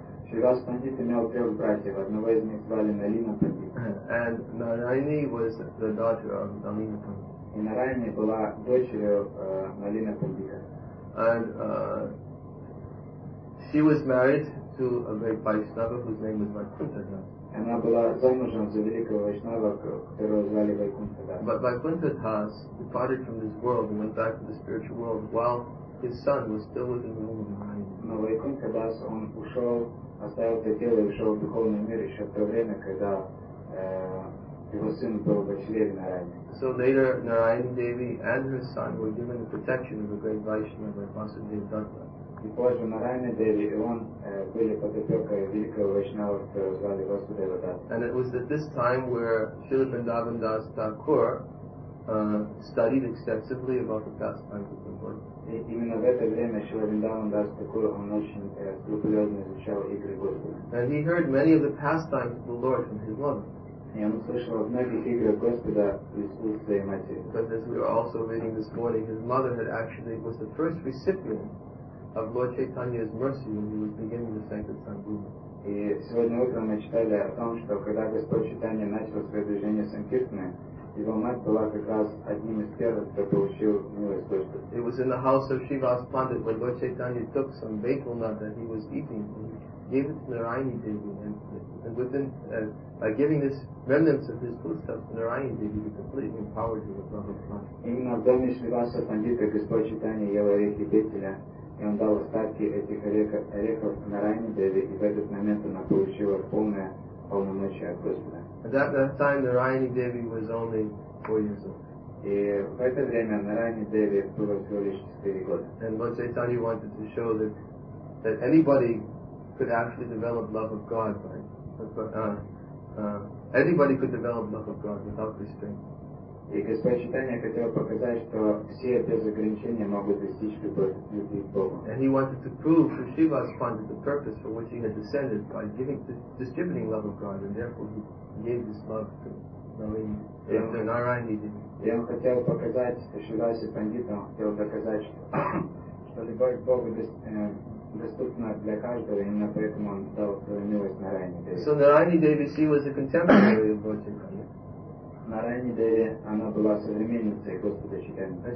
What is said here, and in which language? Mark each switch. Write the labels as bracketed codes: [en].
[ru] Шривас Пандит имел трех братьев, одного из них звали Налина Пандит. [en] And Нараяни was the daughter of Nalina Pandit. [ru] И Нараяни была дочерью Налина Пандита. [en] And she was married to a great Vaishnava whose name was Vaikuntha Das. [ru] Она была замужем за великого Вайшнава, которого звали Вайкунтха Дас. [en] But Vaikuntha Das departed from this world and went back to the spiritual world while his son was still within the womb of Narayani. [ru] Но Вайкунтха Дас, он ушел, оставил это тело и ушел в духовный мир еще в то время, когда его сын был в чреве Нараяни. [en] So later, Narayani Devi and her son were given the protection of a great Vaishnava, Vasudeva Dutta. [ru] И позже Нараяна Деви и он были под опекой великого Вайшнава, которого звали Васудева Дас. [en] And it was at this time where Śrīla Vṛndāvana Dāsa Thakura studied extensively about the pastimes of the Lord. [ru] И именно в это время Śrīla Vṛndāvana Dāsa Thakura он очень скрупулезно изучал игры Господа. [en] And he heard many of the pastimes of the Lord from his mother. [ru] И он услышал многих игр Господа из уст своей матери. [en] But as we were also reading this morning, his mother had actually was the first recipient of Lord Chaitanya's mercy when he was beginning the sankirtan movement. [ru] И сегодня утром мы читали о том, что когда Господь Чайтанья начал свое движение санкиртны, его мать была как раз одним из первых, кто получил милость Господа. [en] It was in the house of Shivas Pandit when Lord Chaitanya took some betel nut that he was eating and gave it to Narayani Devi, and within by giving this remnants of his foodstuff to Narayani Devi, he completely empowered him with love of life. [ru] Именно в доме Шриваса Пандита Господь Чайтанья ел орехи бетеля. И он дал остатки этих орехов Нараяни Деви, и в этот момент она получила полное полномочие от Господа. [en] At that time, Narayani Devi was only 4 years old. [ru] И в это время Нараяни Деви было всего лишь 4 года. [en] And Lord Chaitanya wanted to show that anybody could actually develop love of God, right? Anybody could develop love of God without restraint. [ru] И Господь Чайтанья хотел показать, что все без ограничения могут достичь любви к Богу. [en] And he wanted to prove to Shivas Pandit the purpose for which he had descended by distributing love of God, and therefore he gave this love to Narayani. [ru] И он хотел показать Шивасе Пандиту, он хотел доказать, что любовь к Богу доступна для каждого, именно поэтому он дал свою милость Нараяни Деви. [en] So Narayani Devi, she was a contemporary of Lord Chaitanya. [ru] Нараяни Деви, она была современницей Господа Чайтаньи.